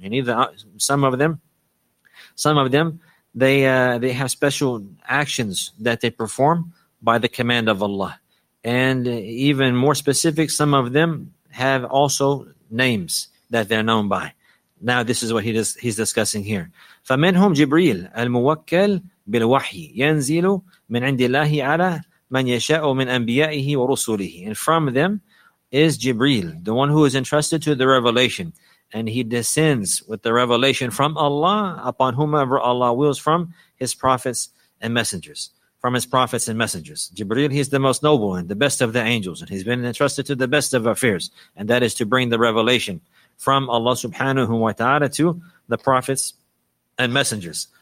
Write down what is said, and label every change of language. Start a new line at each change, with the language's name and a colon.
English: And either some of them, they have special actions that they perform by the command of Allah. And even more specific, some of them have also names that they're known by. Now, this is what he's discussing here.
Arabic: فَمِنْهُمْ جِبْرِيلُ الْمُوَكَّلُ بِالْوَحْيِ يَنْزِلُ مِنْ عِنْدِ اللَّهِ عَلَى مَنْ يَشَاءُ مِنْ أَنْبِيَائِهِ وَرُسُلِهِ
English: And from them is Jibreel, the one who is entrusted to the revelation. And he descends with the revelation from Allah upon whomever Allah wills from his prophets and messengers. From his prophets and messengers. Jibreel, he's the most noble and the best of the angels. And he's been entrusted to the best of affairs. And that is to bring the revelation from Allah subhanahu wa ta'ala to the prophets and messengers.